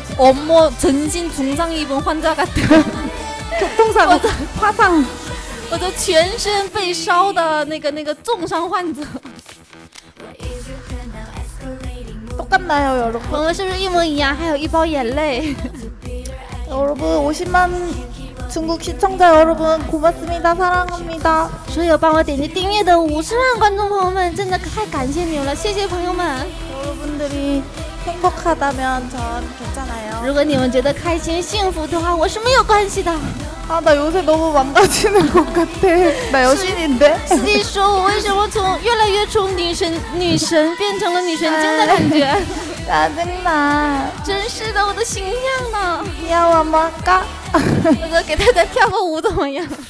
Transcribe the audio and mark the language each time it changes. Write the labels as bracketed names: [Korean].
[Korean] 어머전신중상입은환자같아 격동상화상 [Chinese] 我的全身被烧的那个重伤患者 [Korean] 똑같나요여러분 [Chinese] 朋友们是不是一模一样还有一包眼泪 [Korean] 여러분50만중국시청자여러분고맙습니다사랑합니다 [Chinese] 所有帮我点击订阅的50万观众朋友们真的太感谢你们了谢谢朋友们 [Korean] 여러분들이행복하다면전괜찮아요 [Chinese] 如果你们觉得开心幸福的话我是没有关系的 [Korean] 아나요새너무망가지는것같아나여신인데 [Chinese] 司机说我为什么从越来越从女神变成了女神经的感觉 [Korean] 짜증나 [Chinese] 真是的我的形象呢你要我吗哥我再给大家跳个舞怎么样